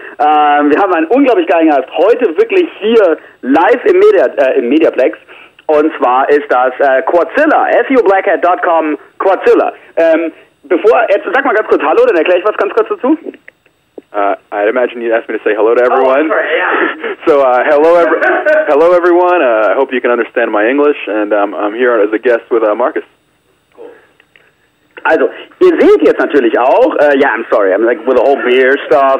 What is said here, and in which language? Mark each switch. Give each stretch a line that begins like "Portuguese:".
German: Wir haben einen unglaublich geilen Gast heute wirklich hier live im Mediaplex. Und zwar ist das Quadzilla, fublackhat.com Quadzilla. Bevor, jetzt sag mal ganz kurz Hallo, dann erkläre ich was ganz kurz dazu.
English: I'd imagine you'd ask me to say hello to everyone. Oh, sorry, yeah. So, hello everyone. I hope you can understand my English, and I'm here as a guest with Marcus.
German: Also, ihr seht jetzt natürlich auch,
English: I'm sorry, I'm like with the whole beer stuff.